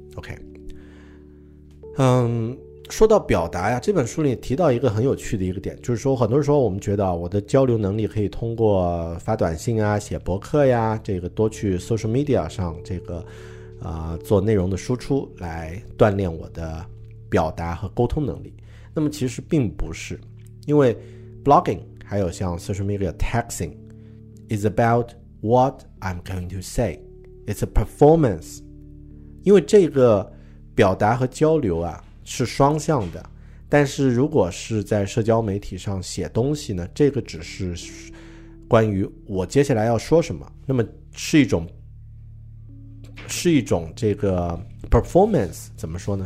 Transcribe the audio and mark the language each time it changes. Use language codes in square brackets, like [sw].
[zh] OK， 说到表达呀，这本书里提到一个很有趣的一个点，就是说很多时候我们觉得我的交流能力可以通过发短信啊，写博客呀，这个多去 social media 上这个做内容的输出来锻炼我的表达和沟通能力。那么其实并不是，因为 [en] blogging [zh] 还有像 [en] social media texting is aboutWhat I'm going to say, it's a performance. [zh] 因为这个表达和交流啊是双向的，但是如果是在社交媒体上写东西呢，这个只是关于我接下来要说什么，那么是一种这个 performance， 怎么说呢？